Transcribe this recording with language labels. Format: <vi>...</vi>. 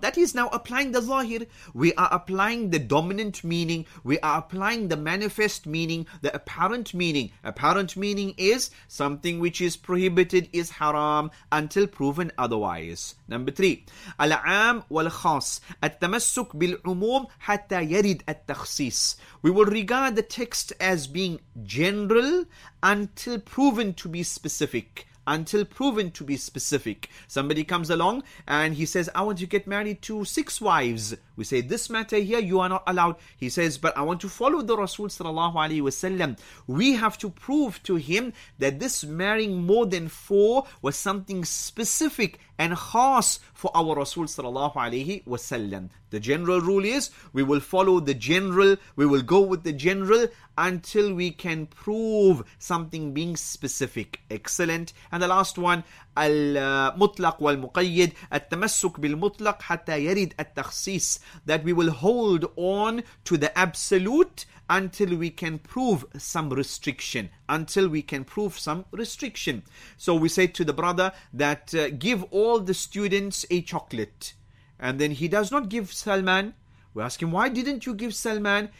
<en>That is now applying the zahir. We are applying the dominant meaning. We are applying the manifest meaning, the apparent meaning. Apparent meaning is something which is prohibited is haram until proven otherwise. Number three,</en> <ar>العام والخاص. التمسك بالعموم حتى يرد التخصيص.</ar> <en>We will regard the text as being general until proven to be specific. Until proven to be specific. Somebody comes along and he says, I want to get married to 6 wives. We say, this matter here, you are not allowed. He says, but I want to follow the Rasul sallallahu alayhi wa sallam. We have to prove to him that this marrying more than 4 was something specific and khas for our Rasul sallallahu alayhi wa sallam. The general rule is, we will follow the general, we will go with the general until we can prove something being specific. Excellent. And the last one,</en> <ar>المطلق والمقيد. التمسك بالمطلق حتى يرد التخصيص.</ar> <en>That we will hold on to the absolute until we can prove some restriction. Until we can prove some restriction. So we say to the brother that give all the students a chocolate. And then he does not give Salman. We ask him, why didn't you give Salman?</en>